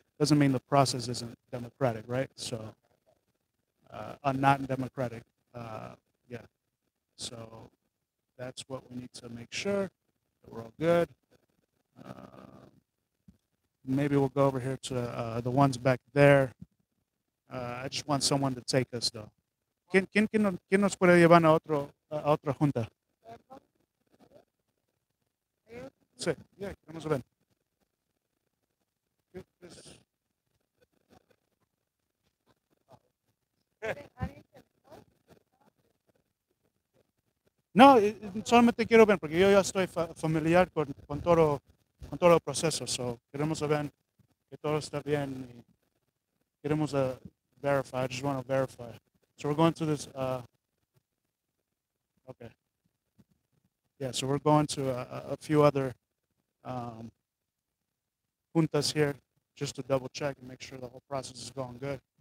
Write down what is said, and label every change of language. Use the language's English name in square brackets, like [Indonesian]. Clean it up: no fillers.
[English] Doesn't mean the process isn't democratic, right? So not democratic, yeah. So that's what we need to make sure that we're all good. Maybe we'll go over here to the ones back there. I just want someone to take us, though. [Spanish] ¿Quién nos puede llevar a otro a otra junta? Sí, ya, yeah, vamos a ver. ¿Qué es? No, solamente quiero ver porque yo ya estoy familiar con todo el proceso, so queremos ver que todo está bien y queremos verify. [English] I just want to verify. So we're going to this, okay. Yeah, so we're going to a few other juntas here just to double check and make sure the whole process is going good.